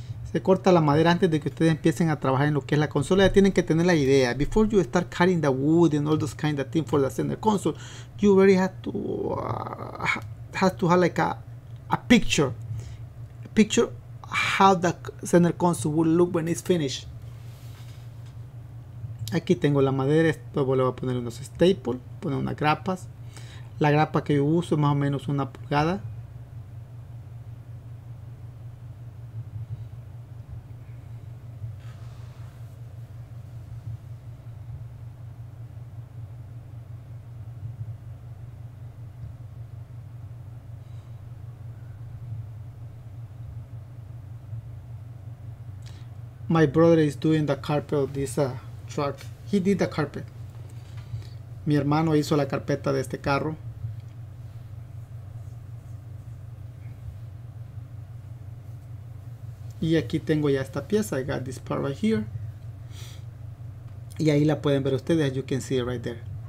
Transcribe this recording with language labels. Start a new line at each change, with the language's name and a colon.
Spanish: Se corta la madera antes de que ustedes empiecen a trabajar en lo que es la consola. Ya tienen que tener la idea.
English: Before you start cutting the wood and all those kind of things for the center console, you already have to have like a picture. A picture how the center console will look when it's finished.
Spanish: Aquí tengo la madera, después le voy a poner unos staples, poner unas grapas. La grapa que yo uso es más o menos una pulgada.
English: My brother is doing the carpet of this truck. He did the carpet.
Spanish: Mi hermano hizo la carpeta de este carro. Y aquí tengo ya esta pieza.
English: I got this part right here.
Spanish: Y ahí la pueden ver ustedes.
English: You can see it right there.